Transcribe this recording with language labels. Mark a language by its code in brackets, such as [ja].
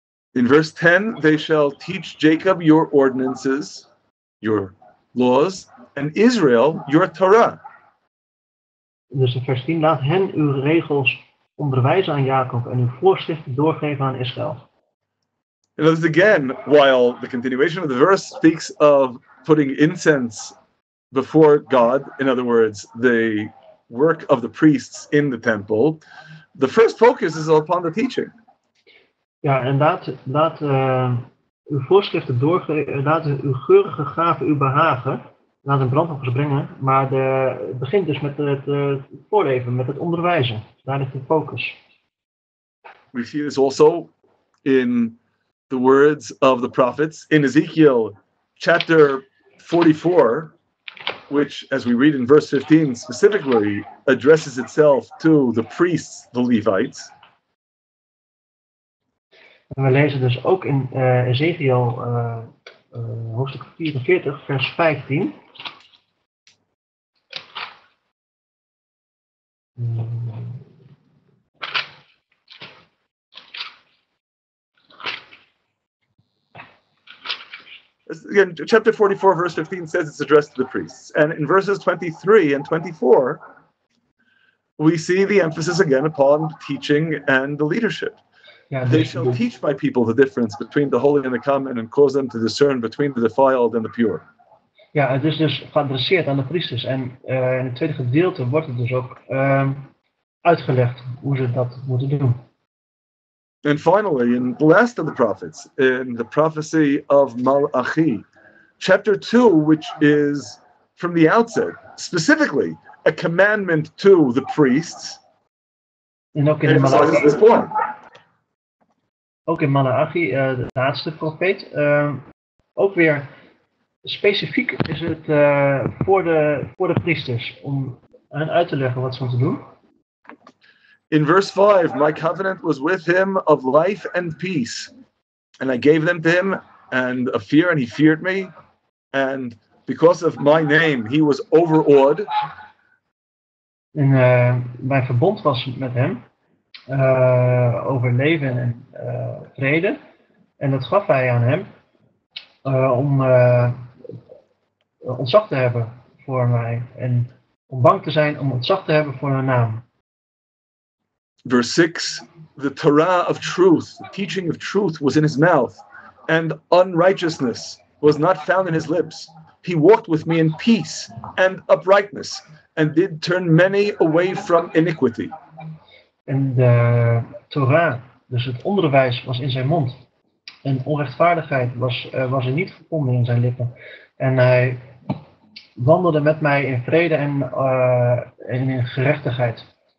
[en] In verse 10, they shall teach Jacob your ordinances, your laws, and Israel your Torah. [nl] Dus in vers 10, laat hen uw regels onderwijzen aan Jacob en uw voorschriften doorgeven aan Israël. [en] And this again, while the continuation of the verse speaks of putting incense before God, in other words, the work of the priests in the temple, the first focus is upon the teaching. [nl] Ja, en laat uw voorschriften doorgeven, laat uw geurige gaven u behagen, laat een brandoffer brengen, maar het begint dus met het voorleven, met het onderwijzen. Daar ligt de focus. [en] We see this also in the words of the prophets in Ezekiel chapter 44, which, as we read in verse 15, specifically addresses itself to the priests, the Levites. [nl] En we lezen dus ook in Ezekiel hoofdstuk 44, vers 15. Mm. [en] Again, chapter 44, verse 15 says it's addressed to the priests. And in verses 23 and 24, we see the emphasis again upon teaching and the leadership. Yeah, they shall teach my people the difference between the holy and the common and cause them to discern between the defiled and the pure. [nl] Ja, het is dus geadresseerd aan de priesters. En in het tweede gedeelte wordt het dus ook uitgelegd hoe ze dat moeten doen. [en] And finally, in the last of the prophets, in the prophecy of Malachi, chapter 2, which is from the outset, specifically a commandment to the priests. [nl] En ook in de Malachi. [en] This point. [nl] Ook in Malachi, de laatste profeet, ook weer specifiek is het voor de priesters, om hen uit te leggen wat ze moeten doen. [en] In verse 5, my covenant was with him of life and peace, and I gave them to him, and of fear, and he feared me, and because of my name, he was overawed. [nl] En mijn verbond was met hem. Over leven en vrede. En dat gaf hij aan hem om ontzag te hebben voor mij. En om bang te zijn om ontzag te hebben voor mijn naam. [en] Verse 6. The Torah of truth, the teaching of truth was in his mouth. And unrighteousness was not found in his lips. He walked with me in peace and uprightness. And did turn many away from iniquity. [nl] En de Torah, dus het onderwijs, was in zijn mond. En onrechtvaardigheid was er niet verbonden in zijn lippen. En hij wandelde met mij in vrede en in gerechtigheid.